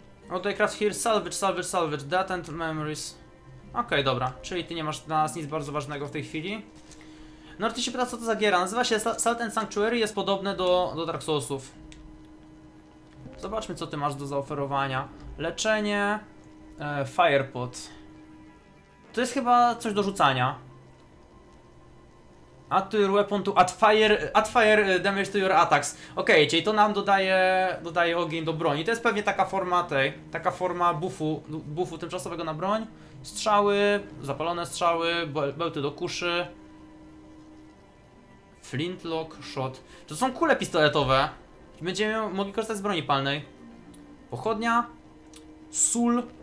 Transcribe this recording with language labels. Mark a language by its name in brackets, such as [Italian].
[Polish] O, tutaj [English] craft here, salvage, death and memories. [Polish] Okej, dobra, czyli ty nie masz dla nas nic bardzo ważnego w tej chwili. No, ty się pyta, co to za giera, nazywa się Salt and Sanctuary, jest podobne do Dark Soulsów. Zobaczmy, co ty masz do zaoferowania. Leczenie, firepot. To jest chyba coś do rzucania. [English] Add to your weapon to add fire damage to your attacks. [Polish] Okej, czyli to nam dodaje ogień do broni. To jest pewnie taka forma tej, taka forma buffu tymczasowego na broń. Strzały, zapalone strzały, bełty do kuszy. Flintlock shot. To są kule pistoletowe. Będziemy mogli korzystać z broni palnej. Pochodnia. Sól.